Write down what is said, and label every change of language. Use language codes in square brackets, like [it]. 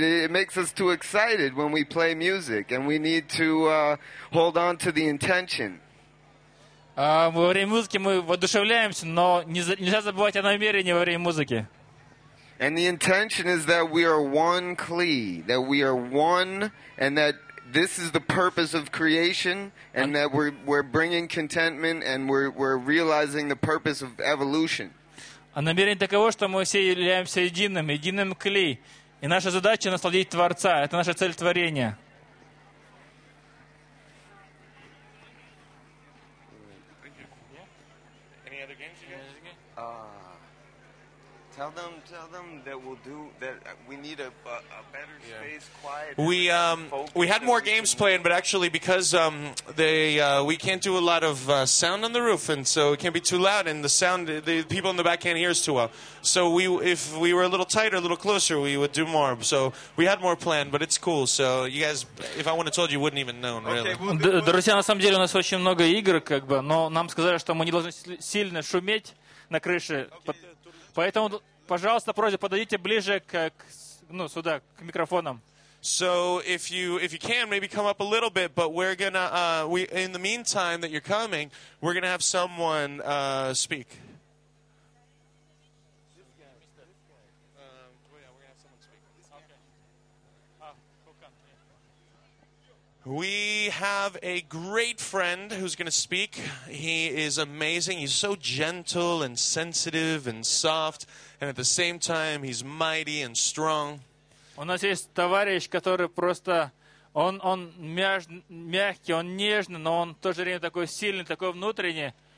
[en] It makes us too excited when we play music, and we need to hold on to the intention. [ru] Во время музыки мы воодушевляемся, но нельзя забывать о намерении во время музыки. [en] And the intention is that we are one kli, that we are one, and that this is the purpose of creation, and that we're bringing contentment, and we're realizing the purpose of evolution. [ru] А намерение таково, что мы все являемся единым, единым клей, и наша задача насладить Творца. Это наша цель творения. [en] Tell them that we'll do that. We need a better space, quiet. We had more games planned, but actually, because we can't do a lot of sound on the roof, and so it can't be too loud, and the sound, the people in the back can't hear us too well. So if we were a little tighter, a little closer, we would do more. So we had more planned, but it's cool. So you guys, if I wouldn't have told you, wouldn't even know, really. [ru] Друзья, на самом деле у нас очень много игр, как бы, но нам сказали, что мы не должны сильно шуметь на крыше. Поэтому, пожалуйста, просьба, подойдите ближе сюда, к микрофонам. [en] So if you can, maybe come up a little bit, but we're gonna we in the meantime that you're coming, we're gonna have someone speak. We have a great friend who's going to speak. He is amazing. He's so gentle and sensitive and soft, and at the same time, he's mighty and strong. [ru] У нас есть товарищ, который просто он мягкий, он нежный, но он в то же время такой сильный, такой внутренний.